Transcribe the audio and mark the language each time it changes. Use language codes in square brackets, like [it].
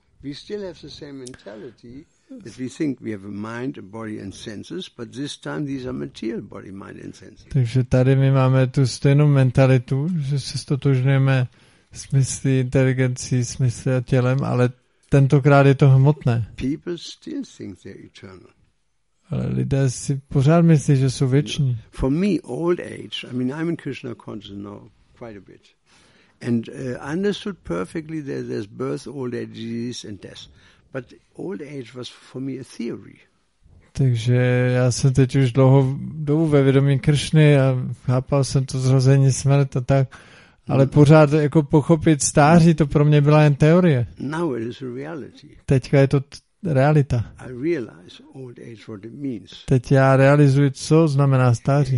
[en] We still have the same mentality that we think we have a mind, a body and senses, but this time these are material body, mind and senses. [cs] Takže tady my máme tu stejnou mentalitu, že se stotožňujeme smysly, inteligencí, smysly a tělem, ale tentokrát je to hmotné. [en] People still think they're eternal. [cs] Ale lidé si pořád myslí, že jsou věční. [en] For me, old age, I mean, I'm in Krishna consciousness now quite a bit, and understood perfectly that there's birth, old age, disease and death. But old age was for me a theory. [cs] Takže já jsem teď už dlouho dobu ve vědomí Kršny a chápal jsem to zrození, smrt a tak, ale pořád jako pochopit stáří, to pro mě byla jen teorie. [en] Now it is a reality. [cs] Teďka je to realita. [en] I realize old age what it means. [cs] Teď já realizuji, co znamená stáří.